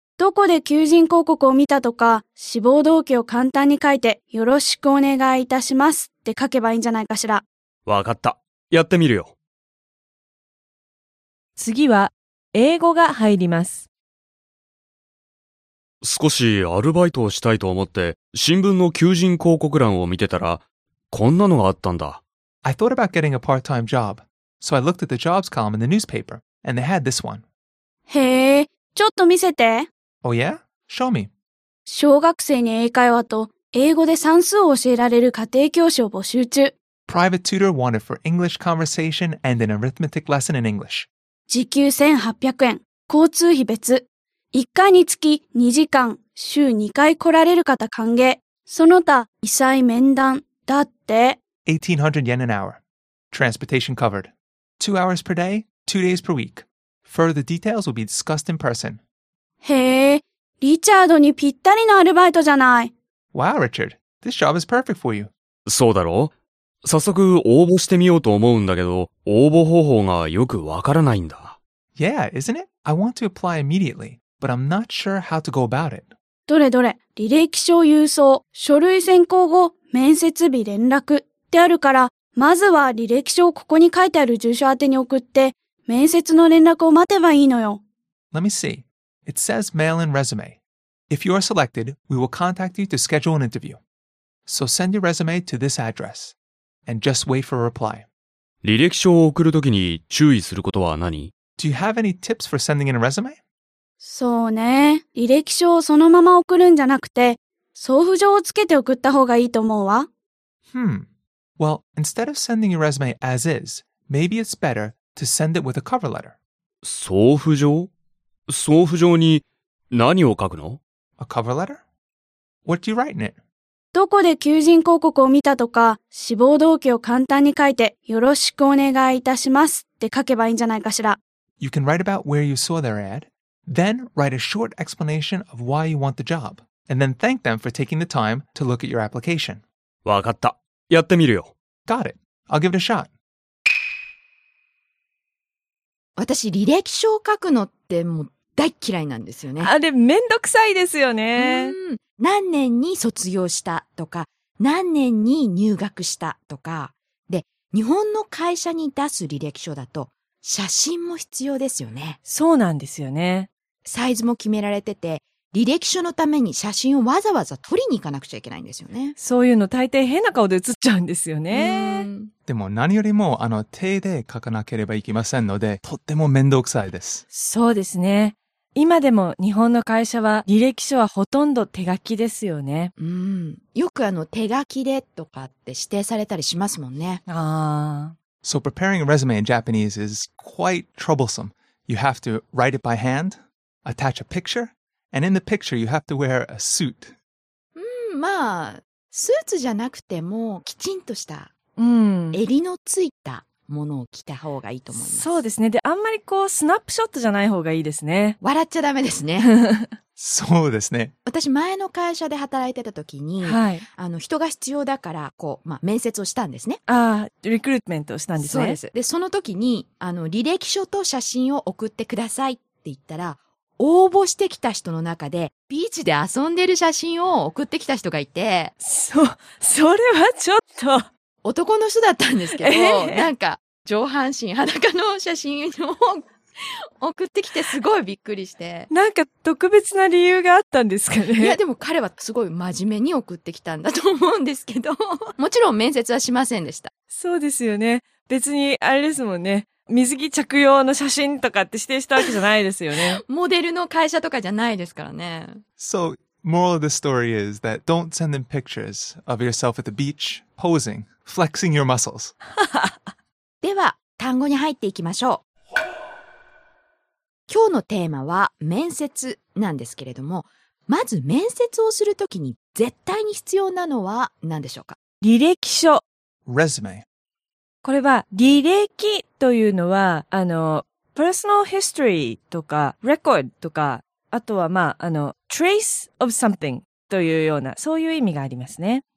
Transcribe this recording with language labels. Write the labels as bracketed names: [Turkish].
[Japanese] どこで求人広告を見たとか、志望動機を簡単に書いて、よろしくお願いいたしますって書けばいいんじゃないかしら。わかった。やってみるよ。次は、英語が入ります。少しアルバイトをしたいと思って、新聞の求人広告欄を見てたら、こんなのがあったんだ。 [English] I thought about getting a part-time job. So I looked at the jobs column in the newspaper, and they had this one. [Japanese] へえ、ちょっと見せて。 [English] Oh yeah? Show me. [Japanese] 小学生に英会話と英語で算数を教えられる家庭教師を募集中。 [English] Private tutor wanted for English conversation and an arithmetic lesson in English. [Japanese] 時給1800円、交通費別。 1回につき2時間、週2回来られる方歓迎。その他、異彩面談だって。 [English] 1800 yen an hour. Transportation covered. 2 hours per day, 2 days per week. Further details will be discussed in person. [Japanese] へえ、リチャードにぴったりのアルバイトじゃない。 [English] Wow, Richard. This job is perfect for you. [Japanese] そうだろう。早速応募してみようと思うんだけど、応募方法がよくわからないんだ。 [English] Yeah, isn't it? I want to apply immediately, but I'm not sure how to go about it. [Japanese] どれどれ、履歴書郵送、書類選考後、面接日連絡ってあるから、まずは履歴書をここに書いてある住所宛てに送って、面接の連絡を待てばいいのよ。 [English] Let me see. It says mail and resume. If you are selected, we will contact you to schedule an interview. So send your resume to this address. And just wait for a reply. [Japanese] 履歴書を送るときに注意することは何？ [English] Do you have any tips for sending in a resume? [Japanese] そうね。履歴書をそのまま送るんじゃなくて、送付状をつけて送った方がいいと思うわ。 [English] Hmm. Well, instead of sending your resume as is, maybe it's better to send it with a cover letter. [Japanese] 送付状？送付状に何を書くの？ [English] A cover letter? What do you write in it? [Japanese] どこで求人広告を見たとか、志望動機を簡単に書いて、よろしくお願いいたしますって書けばいいんじゃないかしら。 [English] You can write about where you saw their ad, then write a short explanation of why you want the job, and then thank them for taking the time to look at your application. [Japanese] わかった。やってみるよ。 [English] Got it. I'll give it a shot. [Japanese] 私、履歴書を書くのってもう大嫌いなんですよね。あれ、めんどくさいですよね。何年に卒業したとか、何年に入学したとか。で、日本の会社に出す履歴書だと、写真も必要ですよね。そうなんですよね。サイズも決められてて、履歴書のために写真をわざわざ撮りに行かなくちゃいけないんですよね。そういうの大抵変な顔で写っちゃうんですよね。でも何よりも手で書かなければいけませんので、とっても面倒くさいです。そうですね。今でも日本の会社は履歴書はほとんど手書きですよね。よく手書きでとかって指定されたりしますもんね。 [English] So preparing a resume in Japanese is quite troublesome. You have to write it by hand, attach a picture,And in the picture, you have to wear a suit. [Japanese] スーツじゃなくてもきちんとした、襟のついたものを着た方がいいと思います。そうですね。で、あんまりこうスナップショットじゃない方がいいですね。笑っちゃダメですね。そうですね。私、前の会社で働いてた時に、はい、人が必要だから、こう、面接をしたんですね。ああ、リクルートメントをしたんですね。そうです。で、その時に、履歴書と写真を送ってくださいって言ったら、応募してきた人の中でビーチで遊んでる写真を送ってきた人がいて、それはちょっと男の人だったんですけど、なんか上半身裸の写真を送ってきて、すごいびっくりして。なんか特別な理由があったんですかね。いや、でも彼はすごい真面目に送ってきたんだと思うんですけど、もちろん面接はしませんでした。そうですよね。別にあれですもんね、水着着用の写真とかって指定したわけじゃないですよね。モデルの会社とかじゃないですからね。 [English] So, moral of the story is that don't send them pictures of yourself at the beach, posing, flexing your muscles. [Japanese] では、単語に入っていきましょう。今日のテーマは面接なんですけれども、まず面接をするときに絶対に必要なのは何でしょうか？履歴書。 [English] Resume。 [Japanese] これは履歴というのは、personal history とか record とか、あとはtrace of something というような、そういう意味がありますね。